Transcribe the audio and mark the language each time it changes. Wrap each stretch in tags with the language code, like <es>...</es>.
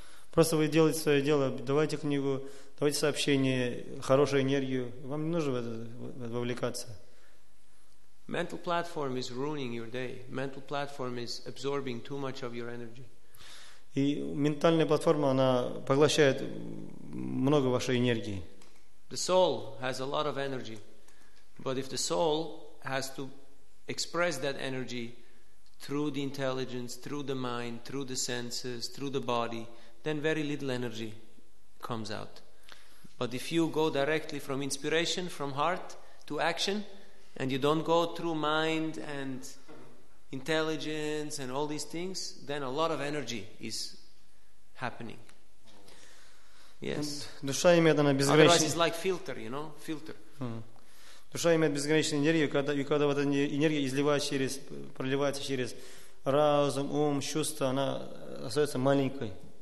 <ru>Просто вы делаете свое дело. Давайте книгу, давайте сообщение, хорошую энергию. Вам не нужно в это вовлекаться.</ru> <en>Mental platform is ruining your day. Mental platform is absorbing too much of your energy.</en> <ru>И ментальная платформа, она поглощает много вашей энергии.</ru> <en>The soul has a lot of energy. But if the soul has to express that energy through the intelligence, through the mind, through the senses, through the body, then very little energy comes out. But if you go directly from inspiration, from heart to action, and you don't go through mind and intelligence and all these things, then a lot of energy is happening. Yes.</en> <ru>Душа имеет она безграничную.</ru> <en>Otherwise, it's like filter, you know, filter.</en> <ru>Душа имеет безграничную энергию, когда вот эта энергия проливается через разум, ум, чувства, она остается маленькой.</ru>